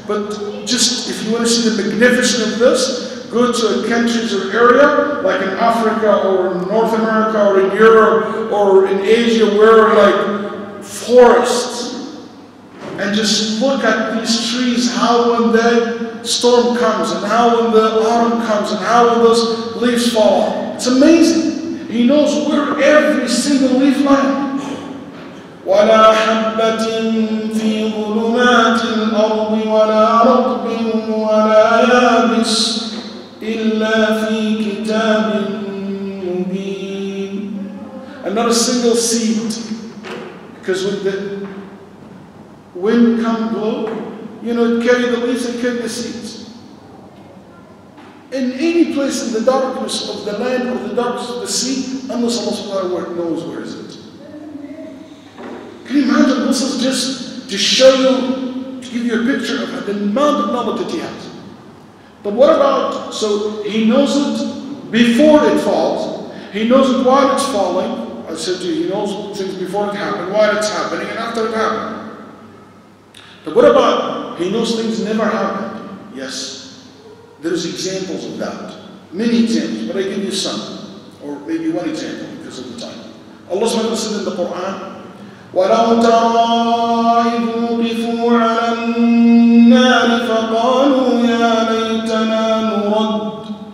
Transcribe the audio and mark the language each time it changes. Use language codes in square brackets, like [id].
[en] But just if you want to see the magnificence of this, go to a countries or area like in Africa or in North America or in Europe or in Asia where like forests, and just look at these trees, how when the storm comes and how when the autumn comes and how when those leaves fall. It's amazing. He knows where every single leaf lies. [ar] ولا حبة في ظلمات الأرض ولا رطب ولا يابس إلا في كتاب مبين. [en] And not a single seed, because when the wind comes blow, you know, it carries the leaves and carries the seeds. In any place in the darkness of the land or the darkness of the sea, unless Allah subhanahu wa ta'ala knows where is it. Can you imagine? This is just to show you, to give you a picture of the amount of knowledge that He has. But what about, so He knows it before it falls, He knows it while it's falling. I said to you, He knows things before it happened, while it's happening, and after it happened. But what about, He knows things never happened? Yes, there's examples of that. Many examples, but I give you some, or maybe one example because of the time. Allah subhanahu wa ta'ala said in the Quran, [ar] وَلَوْ تَرَىٰ إِذْ وُقِفُوا عَلَى النَّارِ فَقَالُوا يَا لَيْتَنَا نُرَدُّ